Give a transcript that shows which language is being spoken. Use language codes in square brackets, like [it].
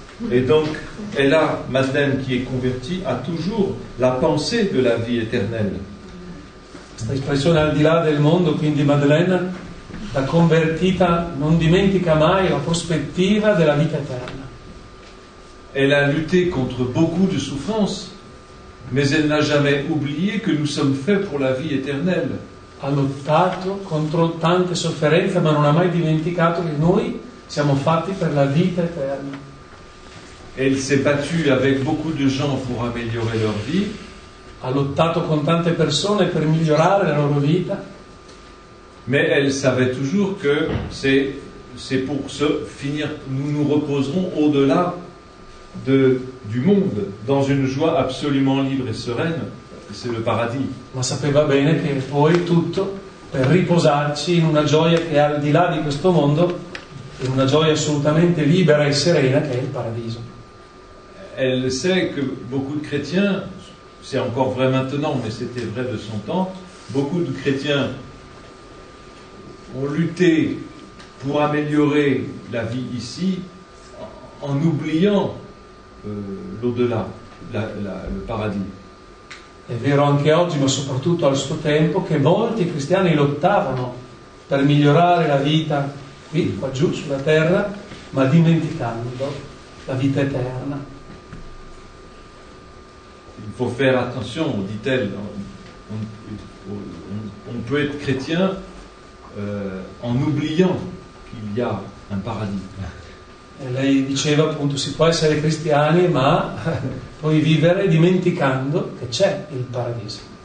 [fr] Et donc, elle a, Madeleine qui est convertie, a toujours la pensée de la vie éternelle. Cette expression [it] al di là del mondo, quindi Madeleine, la convertita, non dimentica mai la prospettiva della vita eterna. [fr] Elle a lutté contre beaucoup de souffrances, mais elle n'a jamais oublié que nous sommes faits pour la vie éternelle. [it] Ha lottato contro tante sofferenze, ma non ha mai dimenticato che noi siamo fatti per la vita eterna. [fr] Elle s'est battue avec beaucoup de gens pour améliorer leur vie. [it] Ha lottato con tante persone per migliorare la loro vita. [fr] Mais elle savait toujours que c'est pour se finir, nous nous reposerons au-delà du monde dans une joie absolument libre et sereine, c'est le paradis. [it] Ma sapeva bene che poi tutto per riposarci in una gioia che è al di là di questo mondo, in una gioia assolutamente libera e serena che è il paradiso. [fr] Elle sait que beaucoup de chrétiens, c'est encore vrai maintenant, mais c'était vrai de son temps, beaucoup de chrétiens ont lutté pour améliorer la vie ici en oubliant l'au-delà, le paradis. [it] È vero anche oggi, ma soprattutto al suo tempo, che molti cristiani lottavano per migliorare la vita qui, qua giù, sulla terra, ma dimenticando la vita eterna. [fr] Il faut faire attention, dit-elle, on peut être chrétien en oubliant qu'il y a un paradis. [it] E lei diceva appunto, si può essere cristiani, ma puoi vivere dimenticando che c'è il paradiso.